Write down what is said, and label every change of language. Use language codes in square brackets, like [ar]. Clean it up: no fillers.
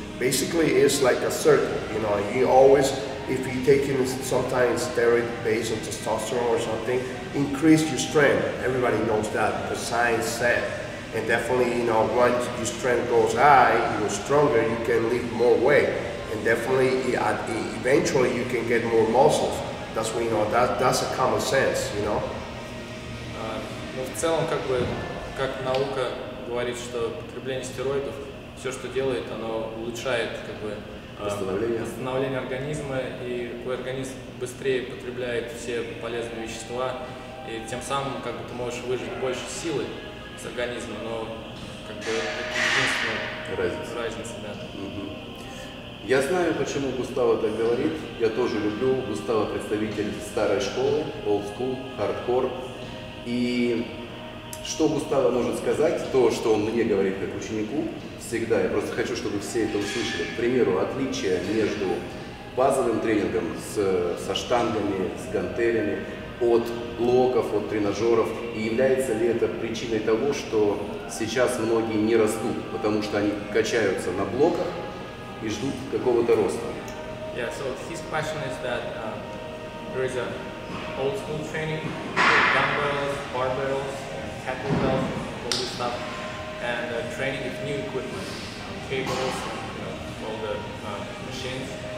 [en] Basically, it's like a circle. You know, you always, if you're taking sometimes steroid based on testosterone or something, increase your strength. Everybody knows that because science said. And definitely, you know, once your strength goes high, you're stronger, you can lift more weight. And definitely, eventually, you can get more muscles. That's what, you know, that's a common sense, you know. [ru] Ну, в целом, как бы, как наука говорит, что потребление стероидов, все, что делает, оно улучшает, как бы, восстановление организма, и твой организм быстрее потребляет все полезные вещества, и тем самым, как бы, ты можешь выжать больше силы с организма, но, как бы, это единственная разница, да. Я знаю, почему Густаво так говорит. Я тоже люблю. Густаво представитель старой школы, [en] old school, hardcore. [ru] И что Густаво может сказать, то, что он мне говорит как ученику, всегда, я просто хочу, чтобы все это услышали. К примеру, отличие между базовым тренингом со штангами, с гантелями, от блоков, от тренажеров. И является ли это причиной того, что сейчас многие не растут, потому что они качаются на блоках, и ждут какого-то роста. [en] Yeah, so his question is that there is a old school training with dumbbells, barbells, kettlebells, all this stuff, and training with new equipment, cables, all the machines.